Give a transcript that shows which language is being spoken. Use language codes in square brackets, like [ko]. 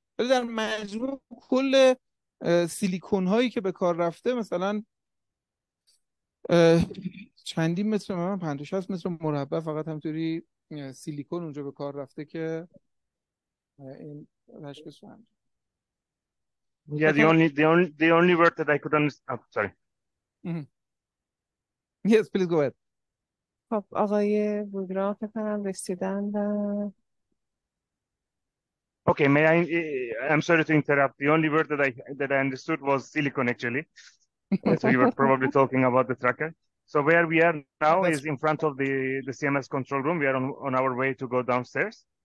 [fa] ولی در مجموع کل سیلیکون هایی که به کار رفته مثلا چندین متر، من 50 60 متر مربع فقط همینطوری سیلیکون اونجا به کار رفته که این [en] Yeah, the only word that I could understand. Oh, sorry. Mm-hmm. Yes, please go ahead. [fa] خب آقای بوگرا فکر کنم رسیدن و [en] Okay, may I'm sorry to interrupt. The only word that I understood was silicon actually. So you were probably talking about the tracker. So where we are now is in front of the CMS control room. We are on our way to go downstairs.